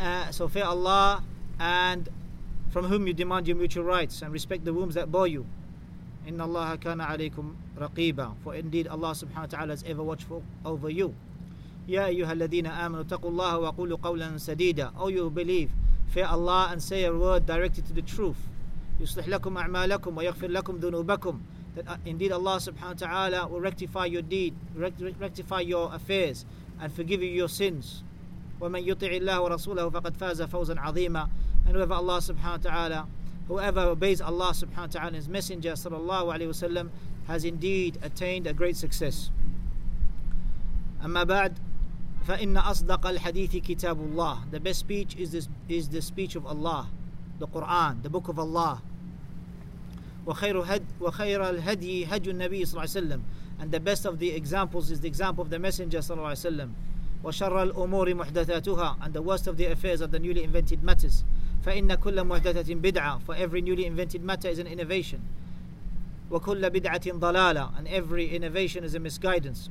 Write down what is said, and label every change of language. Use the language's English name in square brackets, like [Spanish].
[English] So fear Allah and from whom you demand your mutual rights, and respect the wombs that bore you. [Arabic] إن الله كان عليكم رقيبا. [English] For indeed Allah subhanahu wa ta'ala is ever watchful over you. [Arabic] يا أيها الذين آمنوا اتقوا الله وقولوا قولا سديدا. [English] O you who believe, fear Allah and say a word directed to the truth. [Arabic] يصلح لكم أعمالكم ويغفر لكم ذنوبكم. [English] That indeed Allah subhanahu wa ta'ala will rectify your deed, rectify your affairs, and forgive you your sins. [Arabic] وَمَنْ يُطِعِ اللَّهُ وَرَسُولَهُ فَقَدْ فَازَ فَوْزًا عَظِيمًا. [English] And whoever Allah subhanahu wa ta'ala, whoever obeys Allah subhanahu wa ta'ala and his messenger sallallahu alayhi wa sallam, has indeed attained a great success. [Arabic] أَمَّا بَعْدْ فَإِنَّ أَصْدَقَ الْحَدِيثِ كِتَابُ اللَّهِ. [English] The best speech is the speech of Allah, the Qur'an, the book of Allah. [Arabic] وخير الهدي هدي النبي صلى الله عليه وسلم. [English] And the best of the examples is the example of the Messenger صلى الله عليه وسلم. [Arabic] وشر الأمور محدثاتها. [English] And the worst of the affairs are the newly invented matters. [Arabic] فإن كل محدثة بدعة. [English] For every newly invented matter is an innovation. [Arabic] وكل بدعة ضلالة. [English] And every innovation is a misguidance.